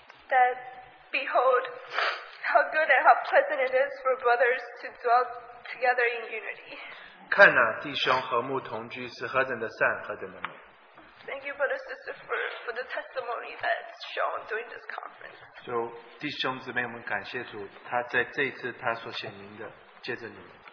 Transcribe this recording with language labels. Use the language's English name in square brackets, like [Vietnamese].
[English] That, behold, how good and how pleasant it is for brothers to dwell together in unity. [Chinese] 看哪，弟兄和睦同居是何等的善，何等的美。 [English] Thank you, brother, sister, for the testimony that's shown during this conference. [Chinese] So, 弟兄姊妹，我们感谢主，他在这一次他所显明的，借着你们。